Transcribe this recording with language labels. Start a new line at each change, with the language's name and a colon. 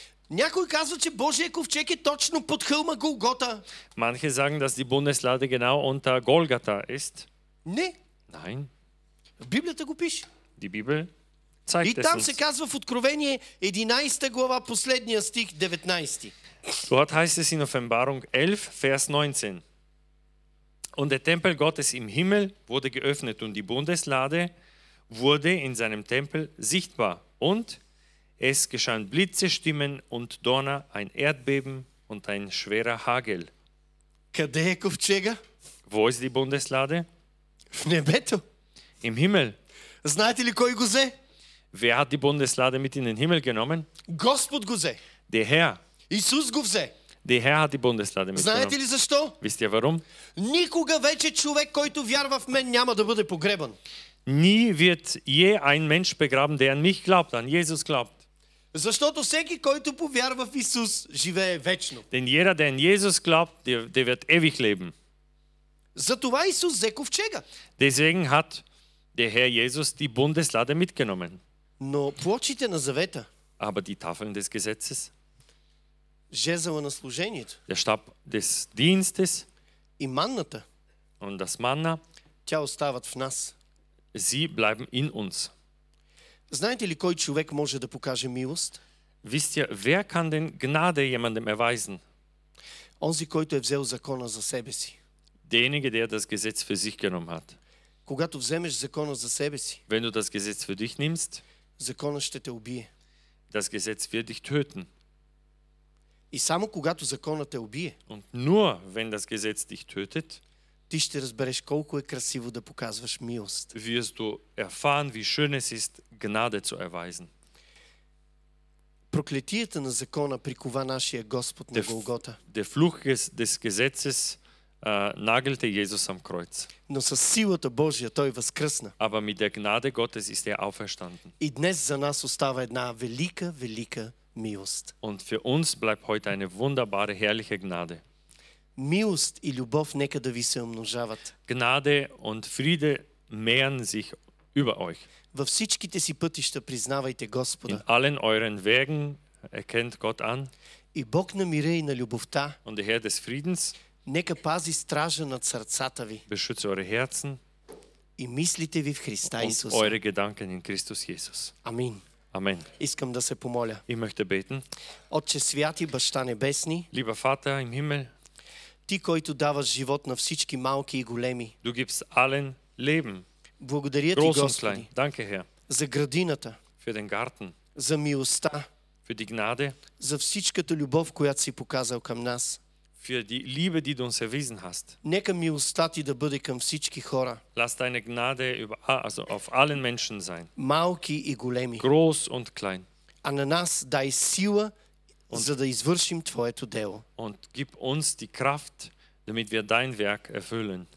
Bulgarian: Някой казва, че Божия ковчег е точно под хълма Голгота.
German: Manche sagen, dass die Bundeslade genau unter Golgatha ist.
Bulgarian: Не.
German: Nein.
Bulgarian: Библията го пише.
German: Die Bibel zeigt
Bulgarian: И там се казва в Откровение 11 глава, последния стих, 19.
German: Dort heißt es in Offenbarung 11, Vers 19. Und der Tempel Gottes im Himmel wurde geöffnet und die Bundeslade wurde in seinem Tempel sichtbar. Und es geschahen Blitze, Stimmen und Donner, ein Erdbeben und ein schwerer Hagel.
Bulgarian: Къде е ковчега?
German: Wo ist die Bundeslade?
Bulgarian: В небето.
German: Im Himmel.
Bulgarian: Знаете ли кой го взе?
German: Wer hat die Bundeslade mit in den Himmel genommen?
Bulgarian: Господ го взе.
German: Der Herr.
Bulgarian: Исус го взе.
German: Der Herr hat die Bundeslade mit.
Bulgarian: Знаете ли защо?
German: Wisst ihr warum?
Bulgarian: Никога вече човек, който вярва в мен, няма да бъде погребан.
German: Nie wird je ein Mensch begraben, der an mich glaubt, an Jesus glaubt.
Bulgarian: Защото всеки, който повярва в Исус, живее вечно.
German: Denn jeder, der an Jesus glaubt, der wird ewig leben.
Bulgarian: Затова Исус взе ковчега.
German: Deswegen hat der Herr Jesus die Bundeslade mitgenommen.
Bulgarian: Но плочите на завета.
German: Aber die Tafeln des Gesetzes.
Bulgarian: Жезъла на служението.
German: Der Stab des Dienstes.
Bulgarian: И манната.
German: Und das Manna.
Bulgarian: Тя остават в нас.
German: Sie bleiben in uns.
Bulgarian: Знаете ли кой човек може да покаже милост?
German: Wisst ihr, wer kann denn Gnade jemandem erweisen?
Bulgarian: Онзи, който е взел закона за себе си.
German: Derjenige, der das Gesetz für sich genommen hat.
Bulgarian: Когато вземеш закона за себе си,
German: wenn du das Gesetz für dich nimmst,
Bulgarian: закона ще те убие.
German: Das Gesetz wird dich töten.
Bulgarian: И само когато законът те убие,
German: und nur wenn das Gesetz dich tötet,
Bulgarian: ти ще разбереш колко е красиво да показваш милост.
German: Wirst du erfahren, wie schön es ist, Gnade zu erweisen.
Bulgarian: Проклетията на закона прикова нашия Господ на Голгота.
German: Der Fluch des Gesetzes nagelte Jesus am Kreuz.
Bulgarian: Но със силата Божия той възкръсна.
German: Aber mit der Gnade Gottes ist er auferstanden.
Bulgarian: И днес за нас остава една велика, велика милост.
German: Und für uns bleibt heute eine wunderbare, herrliche Gnade.
Bulgarian: Милост и любов нека да ви се умножават.
German: Gnade und Friede mehren sich über euch.
Bulgarian: Във всичките си пътища признавайте Господа.
German: In allen euren Wegen erkennt Gott an.
Bulgarian: И Бог на мира и на любовта.
German: Und der Herr des Friedens.
Bulgarian: Нека пази стража над сърцата ви.
German: Beschütze eure Herzen.
Bulgarian: И мислите ви в Христа Исус.
German: Und eure Gedanken in Christus Jesus.
Bulgarian: Амин.
German: Amen.
Bulgarian: Искам да се помоля.
German: Ich möchte beten.
Bulgarian: Отче святи, Баща небесни.
German: Lieber Vater im Himmel.
Bulgarian: Ти, който даваш живот на всички малки и големи.
German: Du gibst allen Leben.
Bulgarian: Благодаря ти, Господи.
German: Danke, Herr.
Bulgarian: За градината.
German: Für den Garten.
Bulgarian: За милостта.
German: Für die Gnade.
Bulgarian: За всичката любов, която си показал към нас.
German: Für die Liebe, die du uns erwiesen hast.
Bulgarian: Нека милостта ти да бъде към всички хора.
German: Lass deine Gnade über, also auf allen Menschen sein.
Bulgarian: Малки и големи.
German: Groß und klein.
Bulgarian: А на нас дай сила, за да извършим твоето дело.
German: Und gib uns die Kraft, damit wir dein Werk erfüllen.